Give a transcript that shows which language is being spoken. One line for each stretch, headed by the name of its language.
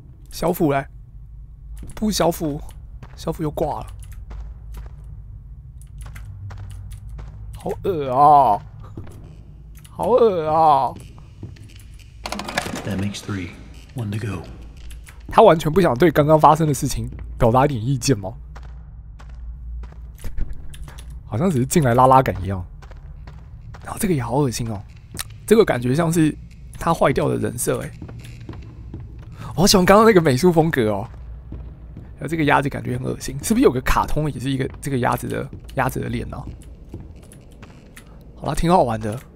Chinese: 小斧嘞，不，小斧，小斧又挂了，好恶啊，好恶啊
English: ！That makes three, one to go。
Chinese: 他完全不想对刚刚发生的事情表达一点意见吗？好像只是进来拉拉杆一样。然后这个也好恶心哦，这个感觉像是他坏掉的人设哎。我好喜欢刚刚那个美术风格哦，有这个鸭子感觉很恶心，是不是有个卡通也是一个这个鸭子的脸呢、啊？好了，挺好玩的。